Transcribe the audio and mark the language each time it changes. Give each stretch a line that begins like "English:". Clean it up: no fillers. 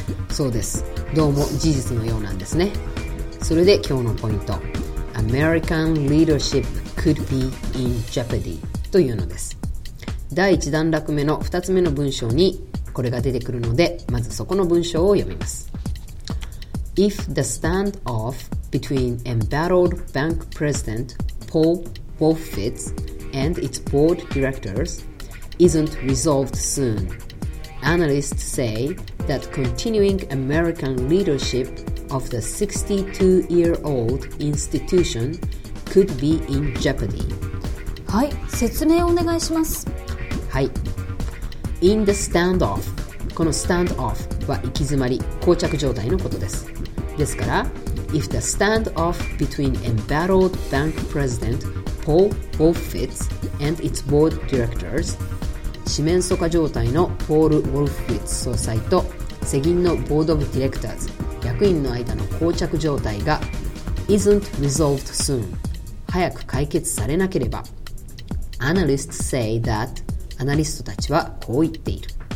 Japanese: そうです、どうも事実のようなんですね。それで今日のポイント、
English: American leadership could be in jeopardy
Japanese: というのです。第1段落目の2つ目の文章にこれが出てくるので、まずそこの文章を読みます。
English: If the standoff between embattled bank president PaulWolfitz and its board directors isn't resolved soon. Analysts say that continuing American leadership of the 62-year-old institution could be in jeopardy.
Japanese: はい、説明をお願いします。はい。
English: In the standoff、
Japanese: この standoff は行き詰まり、膠着状態のことです。ですから、
English: If the standoff between embattled bank presidentPaul Wolfowitz and its board directors、
Japanese: 四面楚歌状態のポール・ウォルフウィッツ総裁と世銀のボード・オブ・ディレクターズ、役員の間の膠着状態が、
English: isn't resolved soon、
Japanese: 早く解決されなければ、
English: analysts say that、
Japanese: アナリストたちはこう言っている。